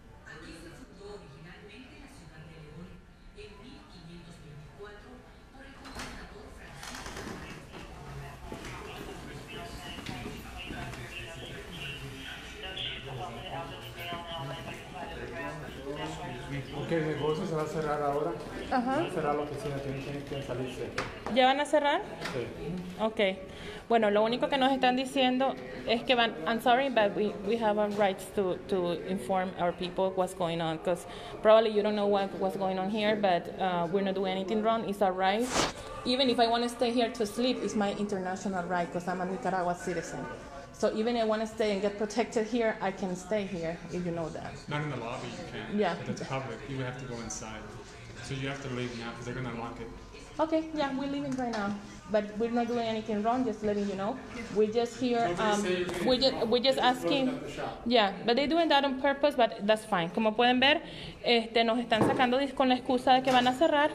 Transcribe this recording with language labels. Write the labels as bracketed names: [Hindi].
[Spanish] Aquí se fundó originalmente la ciudad de León en 1524 por el gobernador Francisco. Porque el negocio se va a cerrar ahora. Ajá. Se va a cerrar la oficina, tienen que salirse. ¿Ya van a cerrar? Sí. Ok. Bueno, lo único que nos están diciendo es que van, [English] I'm sorry, but we have a right to inform our people what's going on, because probably you don't know what's going on here, but we're not doing anything wrong. It's our right. Even if I want to stay here to sleep, it's my international right, because I'm a Nicaragua citizen. So even if I want to stay and get protected here, I can stay here, if you know that. Not in the lobby, you can't. Yeah. But it's public. You have to go inside. So you have to leave now, because they're going to lock it. Okay, yeah, we're leaving right now. But we're not doing anything wrong, just letting you know. We're just here, we're just asking. Yeah, but they're doing that on purpose, but that's fine. [Spanish] Como pueden ver, nos están sacando con la excusa de que van a cerrar.